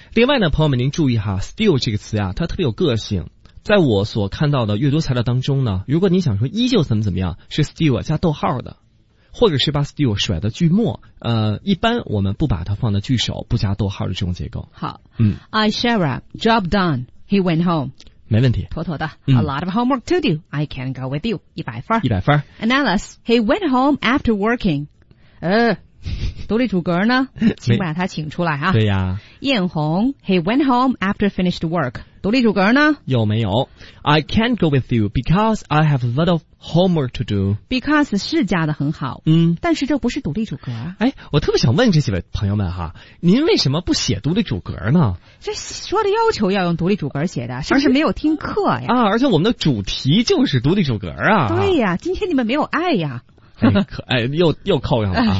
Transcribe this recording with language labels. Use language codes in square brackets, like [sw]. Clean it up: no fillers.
[zh] 另外呢，朋友们您注意哈 ，still 这个词啊，它特别有个性。在我所看到的阅读材料当中呢，如果你想说依旧怎么怎么样，是 still 加逗号的，或者是把 still 甩到句末，一般我们不把它放到句首，不加逗号的这种结构。好，嗯 [en] ，I Shara job done, he went home， [zh] 没问题，妥妥的。 [en] A lot of homework to do, I can't go with you， 100分， [zh] 100分。 [en] Analysis, he went home after working， [zh] 独立主格呢，请把它请出来啊。对呀，艳红 ， [en] he went home after finished work。 [zh] 独立主格呢？有没有 [en] ？I can't go with you because I have a lot of homework to do. [zh] Because 是加的很好，嗯，但是这不是独立主格。哎，我特别想问这几位朋友们哈，您为什么不写独立主格呢？这说的要求要用独立主格写的，是不是没有听课呀？啊，而且我们的主题就是独立主格啊。对呀，今天你们没有爱呀。哎，又扣上了、啊。